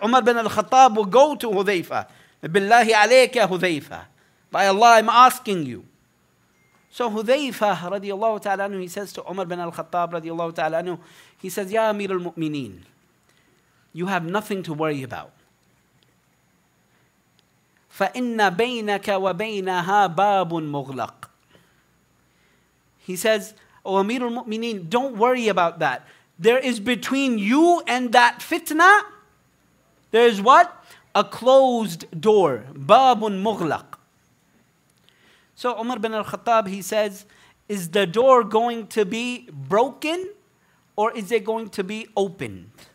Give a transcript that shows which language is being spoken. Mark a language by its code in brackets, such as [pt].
[en] Umar bin al-Khattab would go to Hudhayfa. [ar] Billahi alayka Hudhayfa. [en] By Allah, I'm asking you. So Hudhayfa radiallahu ta'ala anhu, he says to Umar bin al-Khattab radiallahu ta'ala anhu, he says, Ya Amir al-Mu'mineen, you have nothing to worry about. [ar] فَإِنَّ بَيْنَكَ وَبَيْنَهَا بَابٌ مُغْلَقٌ. [en] He says, O Amir al-Mu'mineen, don't worry about that. There is between you and that fitna, there is what? A closed door. [ar] Babun mughlaq. [en] So Umar bin al-Khattab, he says, is the door going to be broken or is it going to be opened?